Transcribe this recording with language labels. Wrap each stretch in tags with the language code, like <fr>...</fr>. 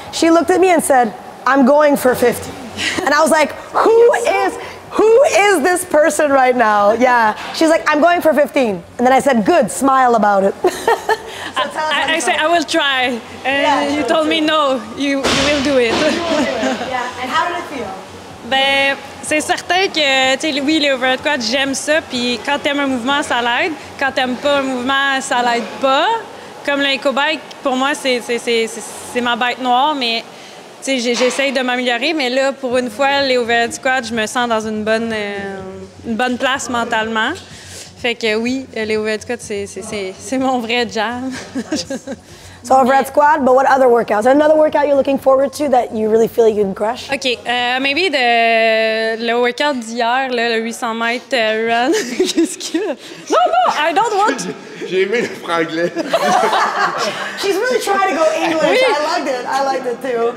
<en>She looked at me and said, I'm going for 50. And I was like, who is this person right now? Yeah, she's like, I'm going for 15. And then I said, good, smile about it. So I said, I will try. And yeah, you told me, no, you will do it. Yeah, and how did it feel?</en> <fr>Ben, c'est certain que, tu sais, oui, les overhead squats, j'aime ça. Puis quand t'aimes un mouvement, ça l'aide. Quand t'aimes pas un mouvement, ça l'aide pas. Comme l'incobike, pour moi, c'est ma bête noire, mais tu sais, j'essaye de m'améliorer. Mais là, pour une fois, les overhead squats, je me sens dans une bonne place mentalement. Fait que oui, les overhead squats, c'est mon vrai jam.</fr> <en>So overhead squat, but what other workouts? Another workout you're looking forward to that you really feel you can crush? OK, maybe</en> <fr>le workout d'hier, le 800 mètres run. Qu'est-ce qu'il y a?</fr> <en>Non, I don't want to.</en> <fr>J'ai aimé le franglais.</fr> <en>She's really trying to go English. Oui. I liked it too.</en>